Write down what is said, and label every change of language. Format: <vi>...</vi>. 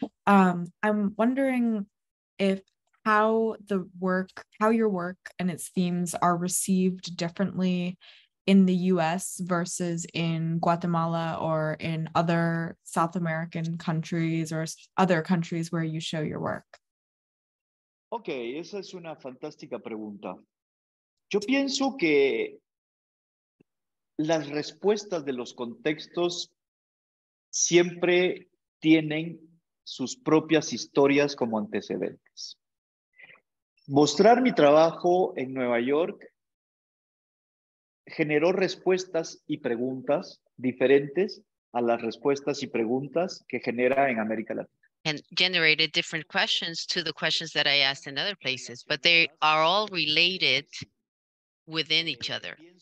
<en>I'm wondering how your work and its themes are received differently in the US versus in Guatemala or in other South American countries or other countries where you show your work.</en> <es>Okay, esa es una fantástica pregunta. Yo pienso que las respuestas de los contextos siempre tienen sus propias historias como antecedentes. Mostrar mi trabajo en Nueva York generó respuestas y preguntas diferentes a las respuestas y preguntas que genera en América Latina.</es> <en>And generated different questions to the questions that I asked in other places, but they are all related within each other.</en>